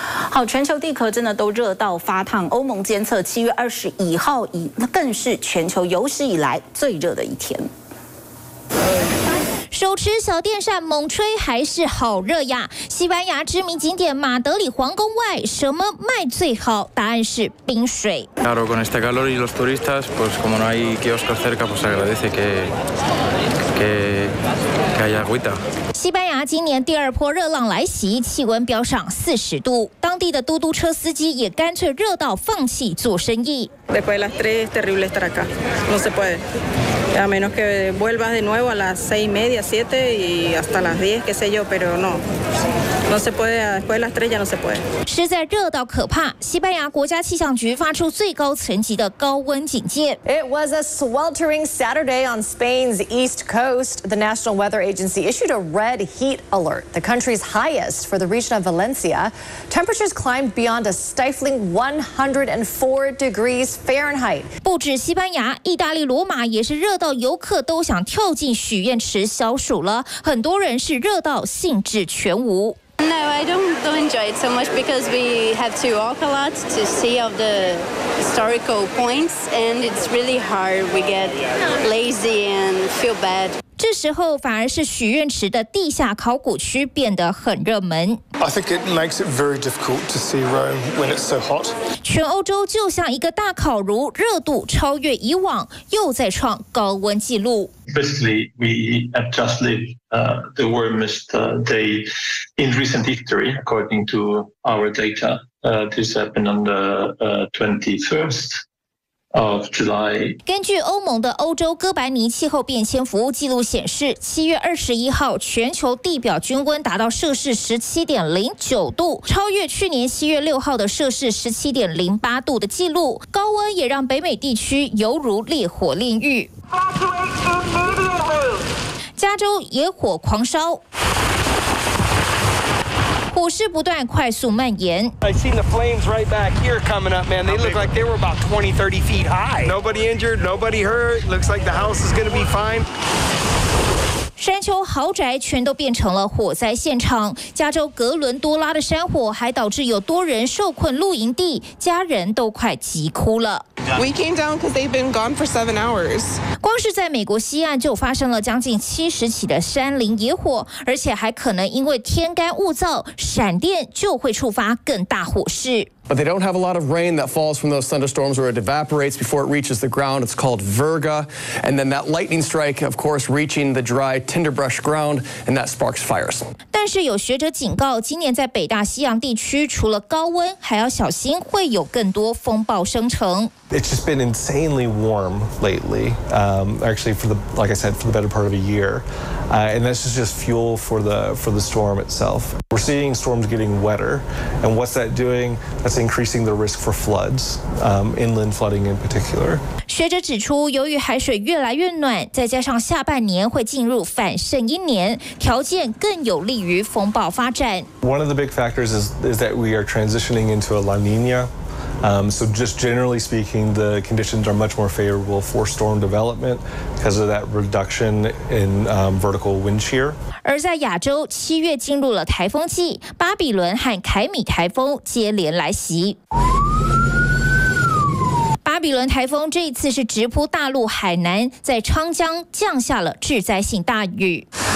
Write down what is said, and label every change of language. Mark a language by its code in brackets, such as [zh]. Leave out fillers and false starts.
[zh] 好，全球地壳真的都热到发烫，欧盟监测7月20日以后，更是全球有史以来最热的一天。手持小电扇猛吹，还是好热呀！西班牙知名景点马德里皇宫外，什么卖最好？答案是冰水。 [es] Claro, con este calor y los turistas, pues como no hay kioscos cerca, pues agradece que haya agüita。 [zh] 西班牙今年第二波热浪来袭，气温飙上40度，当地的嘟嘟车司机也干脆热到放弃做生意。 [es] Después de las tres, es terrible estar acá. No se puede. A menos que vuelvas de nuevo a las 6:30, 7 y hasta las 10, qué sé yo, pero no. [zh] 实在热到可怕，西班牙国家气象局发出最高层级的高温警戒。 [en] It was a sweltering Saturday on Spain's east coast. The National Weather Agency issued a red heat alert, the country's highest for the region of Valencia. Temperatures climbed beyond a stifling 104 degrees Fahrenheit. [zh] 不止西班牙，意大利罗马也是热到游客都想跳进许愿池消暑了。很多人是热到兴致全无。 [en] No, I don't enjoy it so much because we have to walk a lot to see all the historical points, and it's really hard. We get lazy and feel bad. [zh] 这时候反而是许愿池的地下考古区变得很热门。 [en] I think it makes it very difficult to see Rome when it's so hot. [zh] 全欧洲就像一个大烤炉，热度超越以往，又再创高温纪录。 [en] Basically, we have just lived the warmest day in recent history, according to our data. This happened on the 21st. Of July. [zh] 根据欧盟的欧洲哥白尼气候变迁服务记录显示，7月21号全球地表均温达到摄氏17.09度，超越去年7月6号的摄氏17.08度的记录。高温也让北美地区犹如烈火炼狱。加州野火狂烧。火势不断，快速蔓延。 [en] I seen the flames right back here coming up, man. They look like they were about 20, 30 feet high. Nobody injured, nobody hurt. Looks like the house is going to be fine. [zh] 山丘豪宅全都变成了火灾现场。加州格伦多拉的山火还导致有多人受困露营地，家人都快急哭了。 [en] We came down because they've been gone for 7 hours. [zh] 光是在美国西岸就发生了将近70起的山林野火，而且还可能因为天干物燥，闪电就会触发更大火势。 [en] But they don't have a lot of rain that falls from those thunderstorms where it evaporates before it reaches the ground. It's called Virga. And then that lightning strike, of course, reaching the dry tinderbrush ground, and that sparks fires. [zh] 但是有学者警告，今年在北大西洋地区，除了高温，还要小心会有更多风暴生成。 [en] It's just been insanely warm lately, actually, for the, like I said, for the better part of a year. And this is just fuel for the storm itself. We're seeing storms getting wetter. And what's that doing? That's increasing the risk for floods, inland flooding in particular. [zh] 学者指出，由于海水越来越暖，再加上下半年会进入反盛阴年，条件更有利于风暴发展。 [en] One of the big factors is that we are transitioning into a La Nina. So just generally speaking, the conditions are much more favorable for storm development because of that reduction in vertical wind shear. [zh] 而在亚洲，七月进入了台风季，巴比伦和凯米台风接连来袭。巴比伦台风这一次是直扑大陆海南，在昌江降下了致灾性大雨。